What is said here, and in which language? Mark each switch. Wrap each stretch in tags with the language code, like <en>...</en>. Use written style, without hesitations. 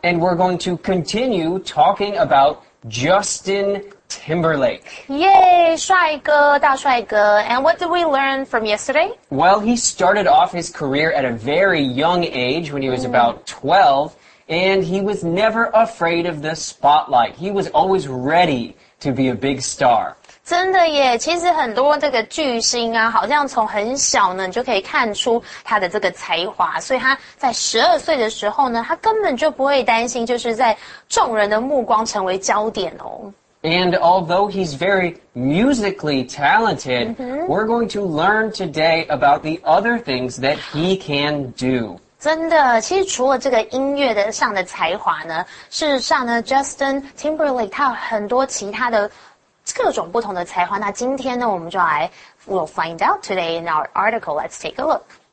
<en>And we're going to continue talking about Justin Timberlake. Yay,</en> <zh>帅哥, 大帅哥.</zh> <en>And what did we learn from yesterday? Well, he started off his career at a very young age, when he was about 12, and he was never afraid of the spotlight. He was always ready to be a big star.</en> <zh>真的耶，其实很多这个巨星啊，好像从很小呢，你就可以看出他的这个才华。所以他在12岁的时候呢，他根本就不会担心就是在众人的目光成为焦点哦。</zh> <en>And although he's very musically talented,、mm-hmm. we're going to learn today about the other things that he can do.</en> <zh>真的，其实除了这个音乐的上的才华呢，事实上呢 ，Justin Timberlake 他有很多其他的各种不同的才华。那今天呢，我们就来 ，</zh> <en>we'll find out today in our article. Let's take a look.</en>